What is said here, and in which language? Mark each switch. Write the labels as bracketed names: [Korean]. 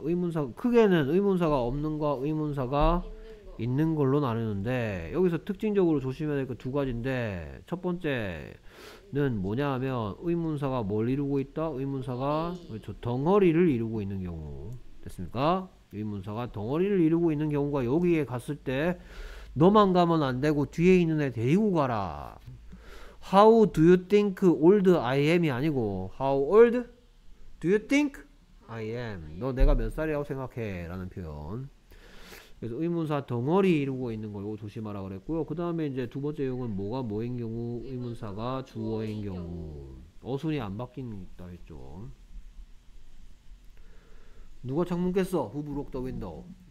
[Korean] 의문사, 크게는 의문사가 없는 거와 의문사가 있는 걸로 나누는데, 여기서 특징적으로 조심해야 될 거 두 가지인데, 첫 번째는 뭐냐 하면 의문사가 뭘 이루고 있다? 의문사가 그렇죠, 덩어리를 이루고 있는 경우. 됐습니까? 의문사가 덩어리를 이루고 있는 경우가 여기에 갔을 때 너만 가면 안 되고 뒤에 있는 애 데리고 가라. [English] How do you think old I am이 [Korean] 아니고 [English] How old do you think I am? [Korean] 너 내가 몇 살이라고 생각해? 라는 표현. 그래서 의문사 덩어리 이루고 있는 걸 조심하라 그랬고요. 그 다음에 이제 두 번째 유형은 뭐가 뭐인 경우, 의문사가 주어인 경우, 어순이 안 바뀐다 했죠. 누가 창문 깼어? [English] Who broke the window?